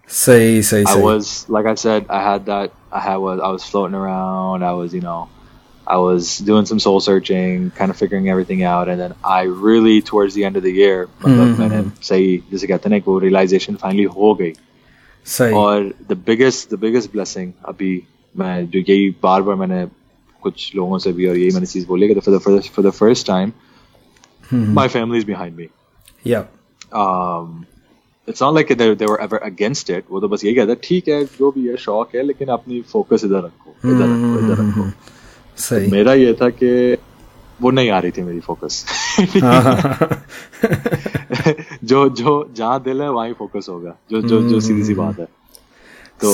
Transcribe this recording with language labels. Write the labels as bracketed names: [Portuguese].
[English] Say. I was, like I said, I was floating around. I was doing some soul searching, kind of figuring everything out. And then I really, towards the end of the year, realization finally [Hindi] ho gayi. सही. और [English] the biggest blessing [Hindi] अभी मैं जो यही बार बार मैंने कुछ लोगों से भी और यही मैंने चीज बोली कि [English] for the first time my family is behind me. Yeah. It's not like they were ever against it. [Hindi] वो तो बस यही कहता है ठीक है जो भी है शौक है लेकिन अपनी फोकस इधर रखो. सही. तो मेरा ये था कि वो नहीं आ रही थी मेरी फोकस. जो जो जहाँ दिल है वहीं फोकस होगा जो जो जो सीधी सी बात है तो